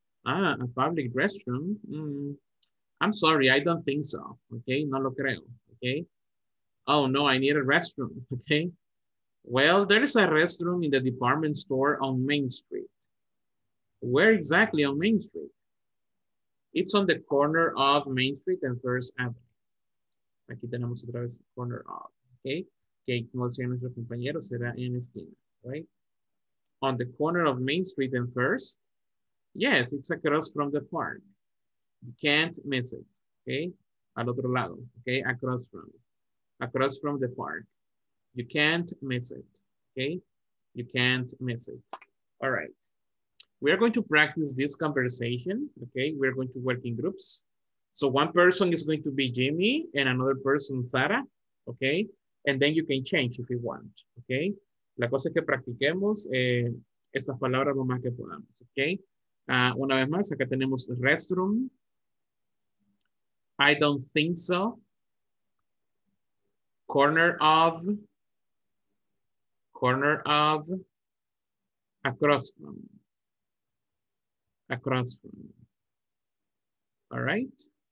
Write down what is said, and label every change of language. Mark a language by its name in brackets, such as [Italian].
[English] Ah, a public restroom. I'm sorry, I don't think so. Okay, [Spanish] no lo creo. [English] Okay. Oh no, I need a restroom. Okay. Well, there is a restroom in the department store on Main Street. Where exactly on Main Street? It's on the corner of Main Street and First Avenue. [Spanish] Aquí tenemos otra vez corner of, okay? Que como decía nuestro compañero, será en esquina, right? [English] On the corner of Main Street and First? Yes, it's across from the park. You can't miss it, okay? [Spanish] Al otro lado, [English] okay? Across from the park. You can't miss it, okay? You can't miss it. All right. We are going to practice this conversation, okay? We're going to work in groups. So one person is going to be Jimmy and another person, Sara, okay? And then you can change if you want, okay? [Spanish] La cosa es que practiquemos estas palabras lo más que podamos, okay? Una vez más, acá tenemos restroom. [English] I don't think so. Corner of. Corner of, across from, all right?